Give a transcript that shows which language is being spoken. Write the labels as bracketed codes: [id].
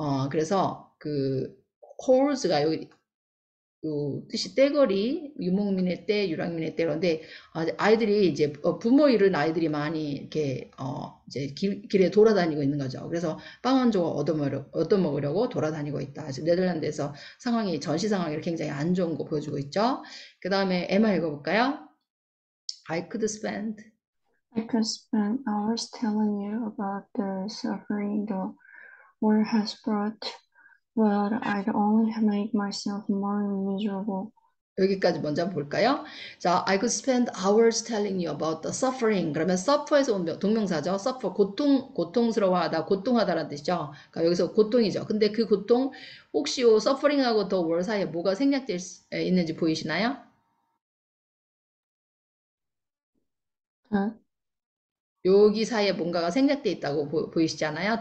[ko] 그래서 그 holes가 여기 뜻이 떼거리, 유목민의 떼, 유랑민의 떼인데 아이들이 이제 부모 잃은 아이들이 많이 이렇게 이제 길에 돌아다니고 있는 거죠. 그래서 빵한 조각 얻어먹으려고 돌아다니고 있다. 지금 네덜란드에서 상황이 전시 상황이 굉장히 안 좋은 거 보여주고 있죠. 그 다음에 에마 읽어볼까요? [en] I could spend. I could spend hours telling you about the suffering the war has brought, but I'd only make myself more miserable. [ko] 여기까지 먼저 한번 볼까요? 자, [en] I could spend hours telling you about the suffering. [ko] 그러면 suffer에서 온 동명사죠. suffer, 고통스러워하다, 고통하다라는 뜻이죠. 그러니까 여기서 고통이죠. 근데 그 고통, 혹시 요 suffering하고 the world 사이에 뭐가 생략되어 있는지 보이시나요? 응? 여기 사이에 뭔가가 생략되어 있다고 보이시지 않아요?